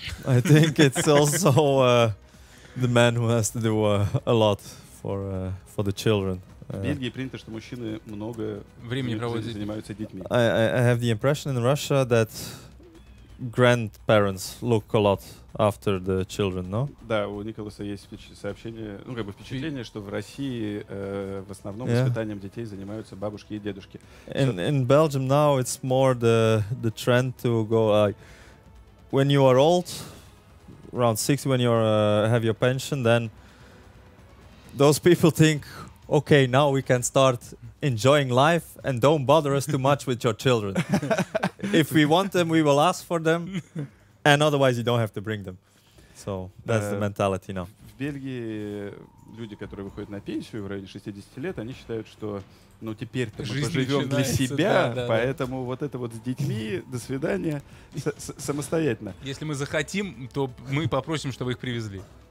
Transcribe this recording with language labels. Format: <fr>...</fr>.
<en>I think it's also the man who has to do a lot for the children.</en> <ru>В Бельгии принято, что мужчины много времени проводят, занимаются детьми.</ru> <en>I have the impression in Russia that grandparents look a lot after the children, no?</en> <ru>Да, у Николаса есть сообщение, ну, как бы впечатление, что в России в основном воспитанием детей занимаются бабушки и дедушки.</ru> <en>In Belgium now it's more the trend to go when you are old, around 60, when you are, have your pension, then those people think, okay, now we can start enjoying life and don't bother us too much with your children. If we want them, we will ask for them. And otherwise you don't have to bring them. So that's the mentality now.</en> <ru>В Бельгии люди, которые выходят на пенсию в районе 60 лет, они считают, что ну теперь-то мы поживем для себя, поэтому вот это вот с детьми, до свидания, самостоятельно. Если мы захотим, то мы попросим, чтобы их привезли.</ru>